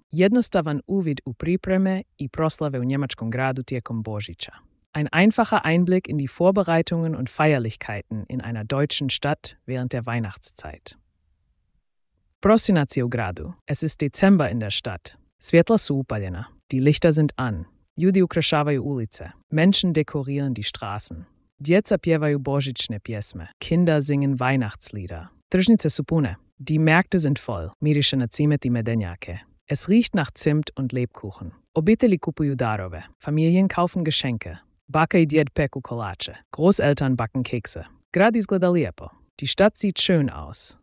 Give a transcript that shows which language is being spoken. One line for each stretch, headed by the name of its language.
Croatian: Jednostavan uvid u pripreme i proslave u njemačkom gradu tijekom Božića.
German: Ein einfacher Einblick in die Vorbereitungen und Feierlichkeiten in einer deutschen Stadt während der Weihnachtszeit.
Croatian: Prosinac je u gradu.
German: Es ist Dezember in der Stadt.
Croatian: Svjetla su upaljena.
German: Die Lichter sind an.
Croatian: Ljudi ukrašavaju ulice.
German: Menschen dekorieren die Straßen.
Croatian: Djeca pjevaju božićne pjesme.
German: Kinder singen Weihnachtslieder.
Croatian: Tržnice su pune.
German: Die Märkte sind voll.
Croatian: Miriše na cimet i medenjake.
German: Es riecht nach Zimt und Lebkuchen.
Croatian: Obitelji kupuju darove.
German: Familien kaufen Geschenke.
Croatian: Baka i djed peku kolače.
German: Großeltern backen Kekse.
Croatian: Grad izgleda lijepo.
German: Die Stadt sieht schön aus.